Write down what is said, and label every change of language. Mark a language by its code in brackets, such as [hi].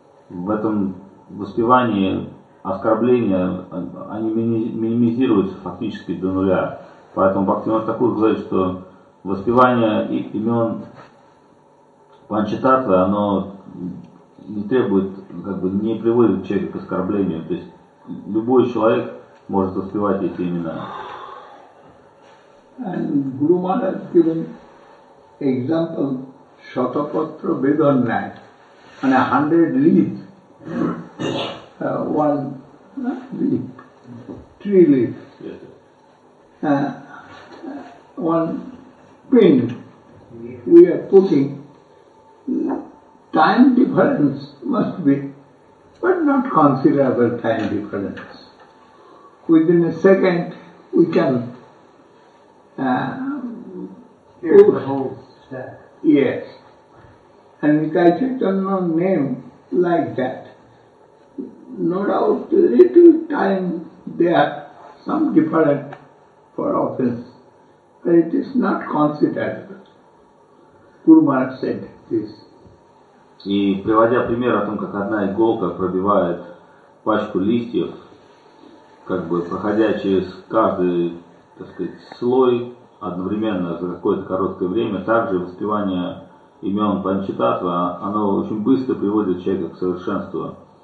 [ru] В этом воспевании оскорбления они минимизируются фактически до нуля. Поэтому Бхактивинода Тхакур говорит, что воспевание имен Панчататвы, оно не требует, как бы не приводит человека к оскорблению. То есть любой человек может воспевать эти имена. [en] And Guru Maharaj has given example Shatapatra Vedanyai, and 100 leaves, three leaves. One pin we are putting, time difference must be, but not considerable time difference. Within a second we can hear the whole stack. Yes. And Nikai Chaitanya name like that. No doubt little time there, some different for offense. But it is not considered. Guru Maharaj said this. [ru] И приводя пример о том, как одна иголка пробивает пачку листьев, как бы проходя через каждый, так сказать, слой одновременно за какое-то короткое время, также воспевание имен Панчататва, оно очень быстро приводит человека к совершенству.